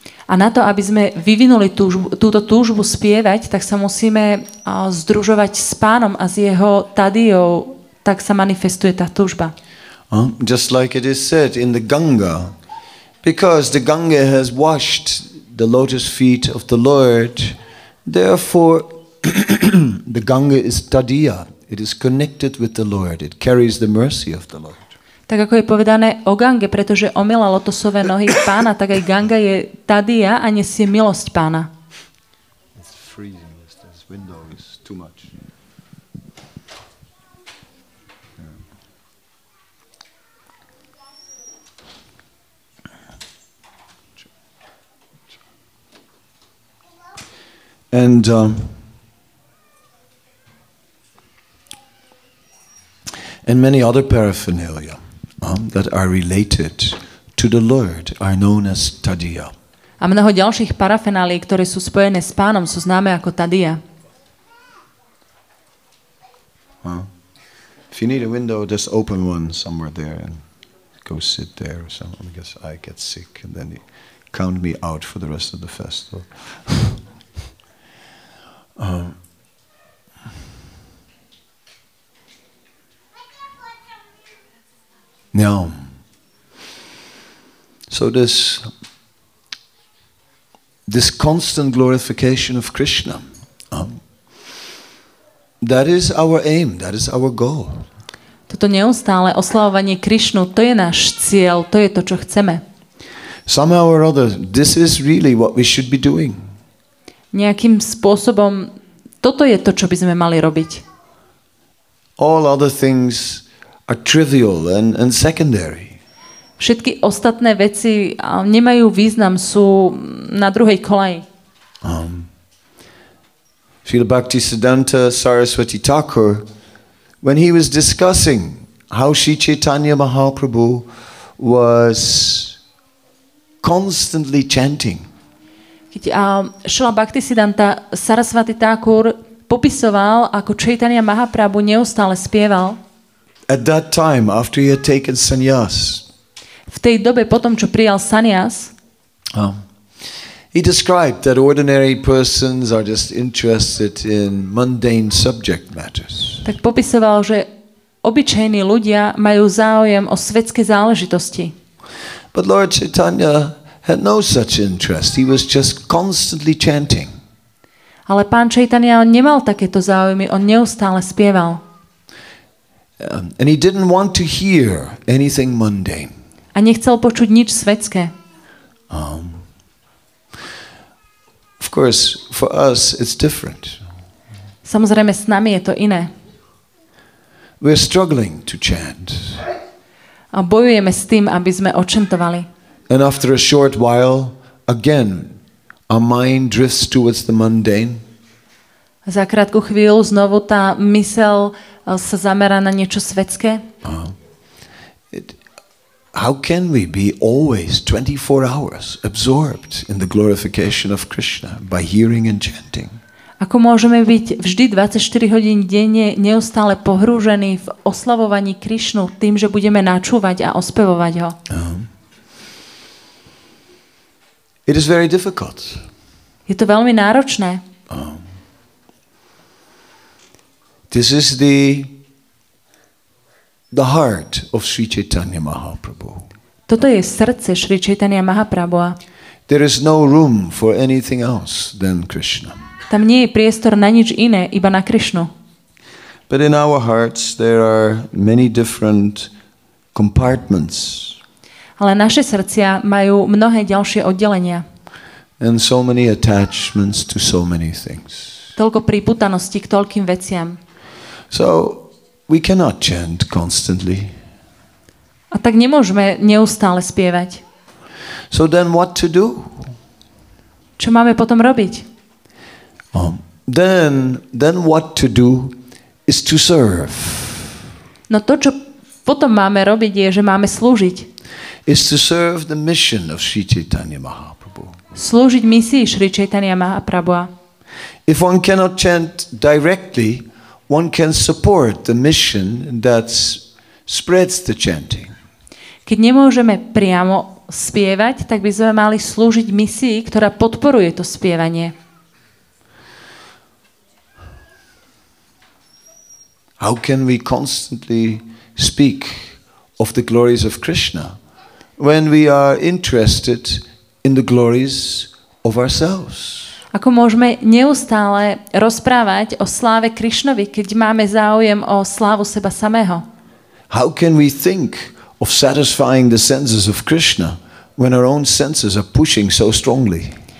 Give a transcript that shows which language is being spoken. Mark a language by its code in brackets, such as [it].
[sk] A na to, aby sme vyvinuli túto túžbu spievať, tak sa musíme združovať s pánom a s jeho tadijou, tak sa manifestuje tá túžba. [en] Just like it is said in the Ganga, because the Ganga has washed the lotus feet of the Lord, therefore the Ganga is tadiya. It is connected with the Lord. It carries the mercy of the Lord. [sk] Tak ako je povedané o Gange, pretože omyla lotosové nohy pána, tak aj Ganga je tadiya a nesie milosť pána. [en] It's freezing. This window is too much. And and many other paraphernalia that are related to the Lord are known as tadiya. [sk] A mnoho ďalších parafenálií, ktoré sú spojené s pánom, sú známe ako tadiya. [en] If you need a window, just open one somewhere there and go sit there or something, because I get sick and then you count me out for the rest of the festival. Now, so this constant glorification of Krishna, that is our aim, that is our goal. [sk] Toto neustále oslavovanie Krishnu, to je náš cieľ, to je to, čo chceme. [en] Somehow or other, this is really what we should be doing. [sk] Nejakým spôsobom, toto je to, čo by sme mali robiť. [en] All other things are trivial and secondary. [sk] Všetky ostatné veci nemajú význam, sú na druhej koleji. [en] Srila Bhaktisiddhanta Saraswati Thakur, when he was discussing how Sri Chaitanya Mahaprabhu was constantly chanting. [sk] Keď Srila Bhaktisiddhanta Saraswati Thakur popisoval, ako Chaitanya Mahaprabhu neustále spieval. [en] At that time, after he had taken sannyas, [sk] v tej dobe potom, čo prijal sannyas, [en] he described that ordinary persons are just interested in mundane subject matters. [sk] Tak popisoval, že obyčajní ľudia majú záujem o svetské záležitosti. [en] But Lord Chaitanya had no such interest. He was just constantly chanting. [sk] Ale pán Chaitanya nemal takéto záujmy, on neustále spieval. [en] And he didn't want to hear anything mundane. [sk] A nechcel počuť nič svetské. [en] Of course, for us it's different. [sk] Samozrejme, s nami je to iné. [en] We're struggling to chant. [sk] A bojujeme s tým, aby sme očentovali. [en] And after a short while, again, our mind drifts towards the mundane. [sk] Za krátku chvíľu znovu tá myseľ sa zamerá na niečo svetské. [en] How can we be always 24 hours absorbed in the glorification of Krishna by hearing and chanting? [sk] Ako môžeme byť vždy 24 hodín denne neustále pohrúžení v oslavovaní Krishnu tým, že budeme načúvať a ospevovať ho? [en] It is very difficult. [sk] Je to veľmi náročné. [en] This is the heart of Sri Chaitanya Mahaprabhu. [sk] Toto je srdce Sri Chaitanya Mahaprabhu. [en] There is no room for anything else than Krishna. [sk] Tam nie je priestor na nič iné, iba na Krishnu. [en] But in our hearts there are many different compartments. [sk] Ale naše srdcia majú mnohé ďalšie oddelenia. [en] And so many attachments to so many things. [sk] Toľko pripútanosti k toľkým veciam. [en] So we cannot chant constantly. [sk] A tak nemôžeme neustále spievať. [en] So then what to do? [sk] Čo máme potom robiť? [en] Then what to do is to serve. [sk] No to, čo potom máme robiť, je, že máme slúžiť. [en] Is to serve the mission of Sri Chaitanya Mahaprabhu. [sk] Slúžiť misii Sri Chaitanya Mahaprabhu. [en] If one cannot chant directly, one can support the mission that spreads the chanting. [sk] Keď nemôžeme priamo spievať, tak by sme mali slúžiť misii, ktorá podporuje to spievanie. [en] How can we constantly speak of the glories of Krishna when we are interested in the glories of ourselves? [sk] Ako môžeme neustále rozprávať o sláve Krišnovi, keď máme záujem o slávu seba samého? [en] How can we think of satisfying the senses of Krishna when our own senses are pushing so strongly?